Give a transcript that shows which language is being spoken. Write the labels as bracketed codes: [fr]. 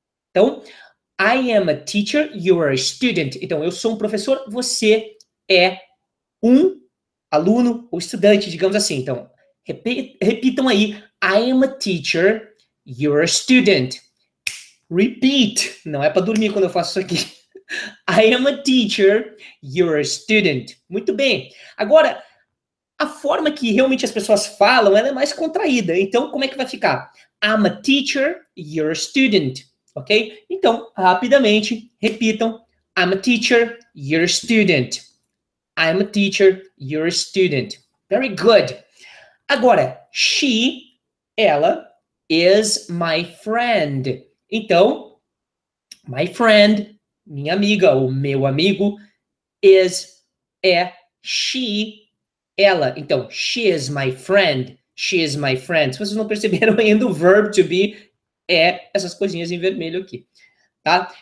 [pt] Então, [en] I am a teacher, you are a student. [pt] Então, eu sou um professor, você é um aluno ou estudante, digamos assim. Então, repitam aí. [en] I am a teacher, you're a student. Repeat. [pt] Não é para dormir quando eu faço isso aqui. [en] I am a teacher, you're a student. [pt] Muito bem. Agora, a forma que realmente as pessoas falam, ela é mais contraída. Então, como é que vai ficar? [en] I'm a teacher, you're a student. Ok? [pt] Então, rapidamente, repitam. [en] I'm a teacher, you're a student. I'm a teacher, you're a student. Very good. [pt] Agora, [en] she, [pt] ela, [en] is my friend. [pt] Então, [en] my friend, [pt] minha amiga, ou meu amigo, is, é, she, ela. Então, [en] she is my friend, she is my friend. [pt] Se vocês não perceberam ainda, o verb to be é essas coisinhas em vermelho aqui, tá?